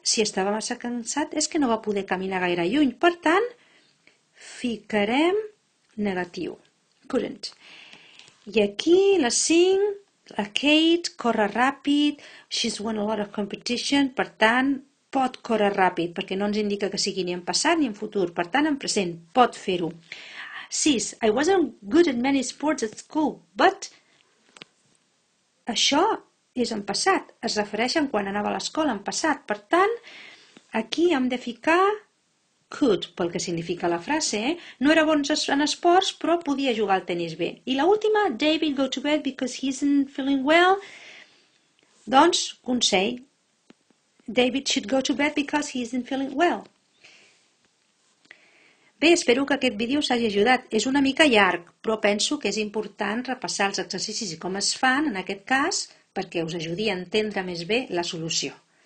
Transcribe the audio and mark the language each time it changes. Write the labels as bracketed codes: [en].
[ca] Si estava massa cansat és que no va poder caminar gaire lluny. Per tant, ficarem negatiu. Couldn't. I aquí, la 5, la Kate corre ràpid. [en] She's won a lot of competition. [ca] Per tant, pot córrer ràpid, perquè no ens indica que sigui ni en passat ni en futur. Per tant, en present, pot fer-ho. 6. [en] I wasn't good at many sports at school, but... [ca] Això és en passat. Es refereixen quan anava a l'escola, en passat. Per tant, aquí hem de ficar could, pel que significa la frase. No era bon en esports, però podia jugar al tennis bé. I l'última, [en] David go to bed because he isn't feeling well. [ca] Doncs, consell. [en] David should go to bed because he isn't feeling well. [ca] Bé, espero que aquest vídeo us hagi ajudat. És una mica llarg, però penso que és important repassar els exercicis i com es fan, en aquest cas, perquè us ajudi a entendre més bé la solució.